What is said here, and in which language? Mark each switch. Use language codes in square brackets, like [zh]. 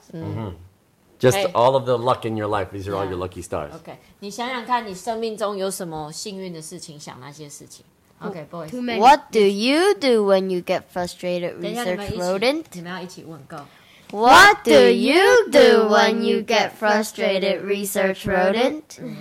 [en] 嗯 ，Just all of the luck in your life. These are all your lucky stars. [zh] OK， 你想想看你生命中有什么幸运的事情，想那些事情。 [en] Okay, boys. What do you do when you get frustrated, Research Rodent? [zh] 你们要一起问够。 [en] What do you do when you get frustrated, Research Rodent?